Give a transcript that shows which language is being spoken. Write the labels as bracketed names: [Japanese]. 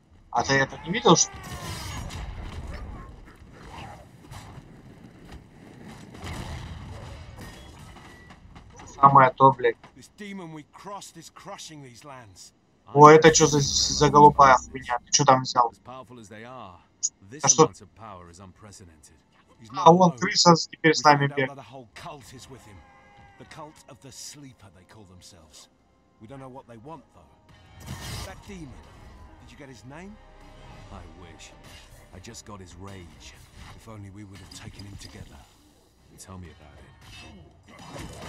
[Russian] А ты это не видел, что? [English] This demon we crossed is crushing these lands. [Russian] О, это что за голубая хуйня? Ты что там взял? [English] As powerful as they are, this amount of power is unprecedented. [Russian] А вон крыса теперь с нами бегает. [English] The whole cult is with him. The cult of the sleeper, they call themselves. We don't know what they want, though. That demon. Did you get his name? I wish. I just got his rage. If only we would have taken him together. Tell me about it.